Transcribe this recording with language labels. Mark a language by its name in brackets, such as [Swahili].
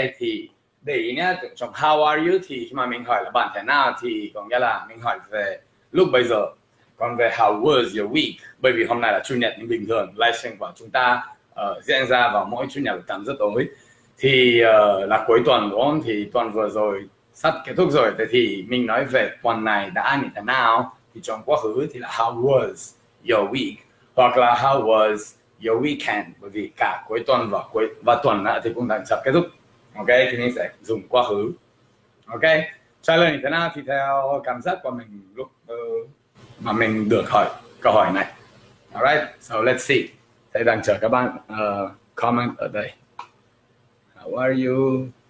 [Vietnamese] Thì để ý nhé, trong [English] how are you [Vietnamese] thì khi mà mình hỏi là bạn thế nào thì có nghĩa là mình hỏi về lúc bây giờ. Còn về [English] how was your week? [Vietnamese] Bởi vì hôm nay là chủ nhật nhưng bình thường livestream của chúng ta diễn ra vào mỗi chủ nhật 8 giờ tối. Thì là cuối tuần đúng không? Thì tuần vừa rồi sắp kết thúc rồi. Thế thì mình nói về tuần này đã như thế nào? Thì trong quá khứ thì là [English] how was your week? [Vietnamese] Hoặc là [English] how was your weekend? [Vietnamese] Bởi vì cả cuối tuần và tuần nữa thì cũng đang sắp kết thúc. Ok? Thì mình sẽ dùng quá khứ. Ok? Trả lời như thế nào thì theo cảm giác của mình lúc mà mình được hỏi câu hỏi này. [English] Alright, so let's see. [Vietnamese] Thầy đang chờ các bạn comment ở đây. [English] How are you?